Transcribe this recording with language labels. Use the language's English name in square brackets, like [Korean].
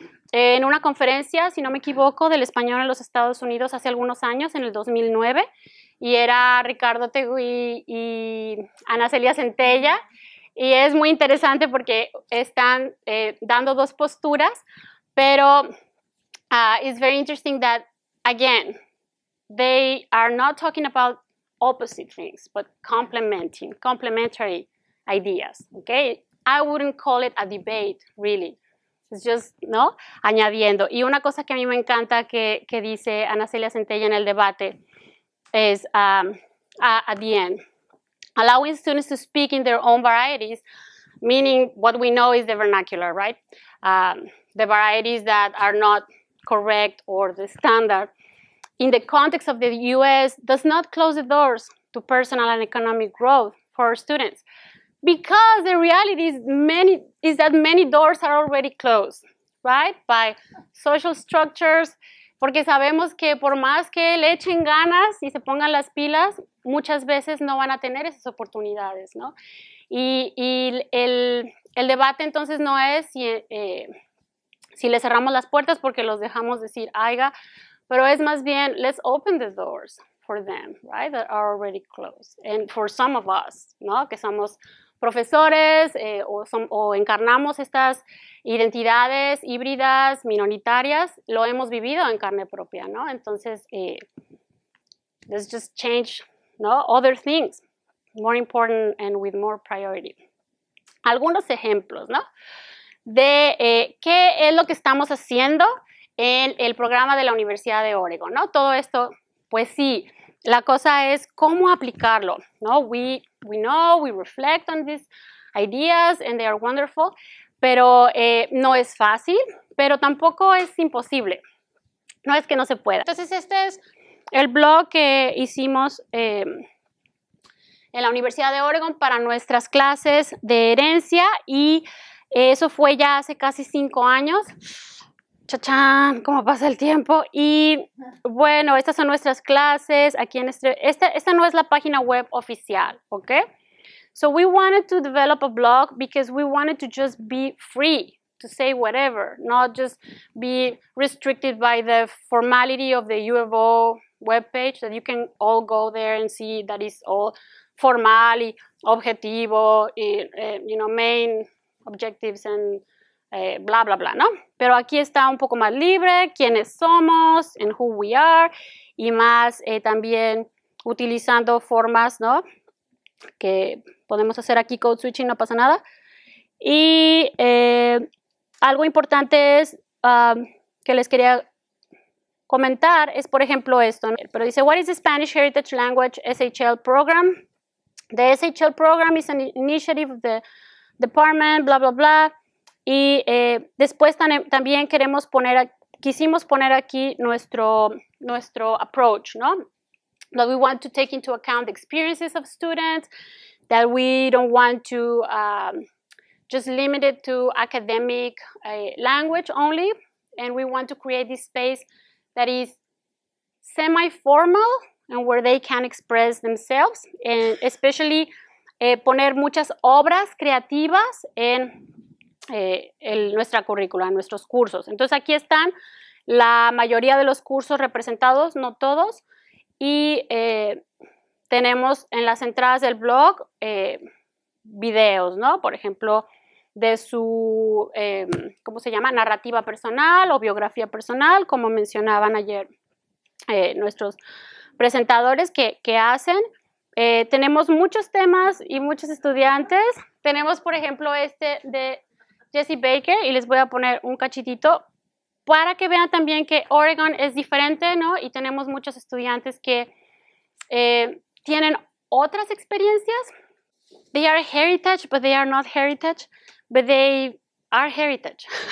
[Spanish] en una conferencia, si no me equivoco, del español en los Estados Unidos hace algunos años, en el 2009, y era Ricardo Tegu y Ana Celia Centella, y es muy interesante porque están dando dos posturas, pero [English] it's very interesting that, again, they are not talking about opposite things, but complementary ideas, okay? I wouldn't call it a debate, really. It's just, [Spanish] ¿no? Añadiendo. Y una cosa que a mí me encanta que dice Ana Celia Centella en el debate es, [English] at the end, allowing students to speak in their own varieties, meaning what we know is the vernacular, right? The varieties that are not correct or the standard in the context of the U.S. does not close the doors to personal and economic growth for students. Because the reality is that many doors are already closed, right? By social structures, [Spanish] porque sabemos que por más que le echen ganas y se pongan las pilas, muchas veces no van a tener esas oportunidades, ¿no? Y el debate entonces no es si le cerramos las puertas porque los dejamos decir, aiga, pero es más bien, [English] let's open the doors for them, right? That are already closed. And for some of us, ¿no? [Spanish] Que somos profesores o encarnamos estas identidades híbridas, minoritarias, lo hemos vivido en carne propia, ¿no? [English] Entonces, let's just change, ¿no? Other things, more important and with more priority. [Spanish] Algunos ejemplos, ¿no? De qué es lo que estamos haciendo en el programa de la Universidad de Oregon, ¿no? Todo esto, pues sí, la cosa es cómo aplicarlo, ¿no? [English] We know, we reflect on these ideas and they are wonderful, [Spanish] pero no es fácil, pero tampoco es imposible. No es que no se pueda. Entonces, este es el blog que hicimos en la Universidad de Oregon para nuestras clases de herencia y eso fue ya hace casi 5 años. ¡Chachán! ¿Cómo pasa el tiempo? Y bueno, estas son nuestras clases. Aquí en esta no es la página web oficial, ¿ok? [English] So we wanted to develop a blog because we wanted to just be free to say whatever, not just be restricted by the formality of the U of O webpage that you can all go there and see that is all formal [Spanish] y objetivo, [English] you know, main objectives and bla, bla, bla, ¿no? [Spanish] Pero aquí está un poco más libre, quiénes somos, [English] and who we are, [Spanish] y más también utilizando formas, ¿no? Que podemos hacer aquí code switching, no pasa nada. Y algo importante es que les quería comentar, es por ejemplo esto, ¿no? Pero dice, [English] What is the Spanish Heritage Language SHL Program? The SHL program is an initiative of the department, blah, blah, blah. [Spanish] Y después también quisimos poner aquí nuestro approach, ¿no? [English] That we want to take into account the experiences of students, that we don't want to just limit it to academic language only, and we want to create this space that is semi-formal and where they can express themselves, and especially [Spanish] poner muchas obras creativas en nuestra currícula, en nuestros cursos. Entonces aquí están la mayoría de los cursos representados, no todos, y tenemos en las entradas del blog videos, ¿no? Por ejemplo, de su, ¿cómo se llama? Narrativa personal o biografía personal, como mencionaban ayer nuestros presentadores que hacen. Tenemos muchos temas y muchos estudiantes. Tenemos, por ejemplo, este de Jesse Baker, y les voy a poner un cachitito para que vean también que Oregon es diferente, ¿no? Y tenemos muchos estudiantes que tienen otras experiencias. [English] They are heritage, but they are not heritage, but they are heritage.